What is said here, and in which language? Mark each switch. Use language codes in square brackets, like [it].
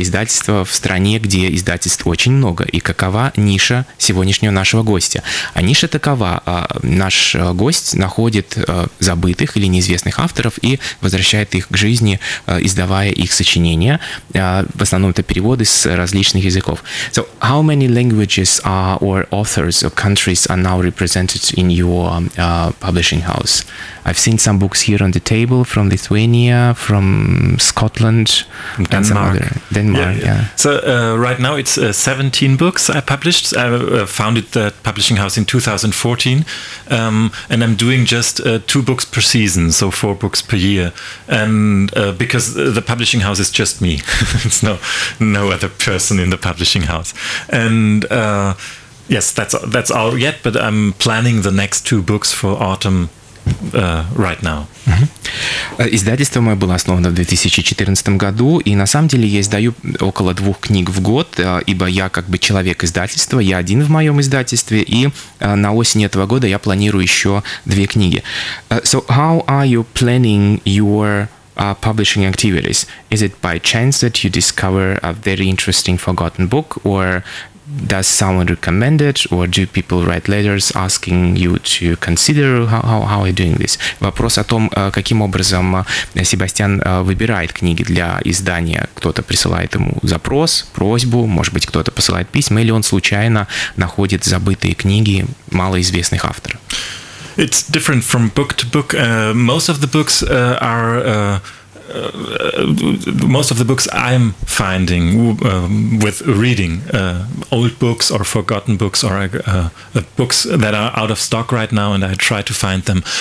[ru] Издательство в стране, где издательств очень много. И какова ниша сегодняшнего нашего гостя? А ниша такова. Наш гость находит забытых или неизвестных авторов и возвращает их к жизни, издавая их сочинения. В основном это переводы с различных языков. [en] So, how many languages are or authors or countries are now represented in your publishing house? I've seen some books here on the table from Lithuania, from Scotland, Denmark. And some other. Denmark, yeah. So, right now it's 17 books I published. I founded the publishing house in 2014, and I'm doing just 2 books per season, so 4 books per year, and because the publishing house is just me. It's no other person in the publishing house. And yes, that's all yet, but I'm planning the next 2 books for autumn right now. [ru] Издательство мое было основано в 2014 году, и на самом деле я издаю около 2 книг в год, ибо я как бы человек издательства, я один в моем издательстве, и на осень этого года я планирую еще 2 книги. [en] So how are you planning your publishing activities? Is it by chance that you discover a very interesting forgotten book, or does someone recommend it, or do people write letters asking you to consider how are you doing this? [ru] Вопрос о том, каким образом Себастьян выбирает книги для издания. Кто-то присылает ему запрос, просьбу, может быть, кто-то посылает письма, или он случайно находит забытые книги малоизвестных авторов. [en] It's different from book to book. Most of the books are most of the books I'm finding with reading old books or forgotten books or books that are out of stock right now, and I try to find them.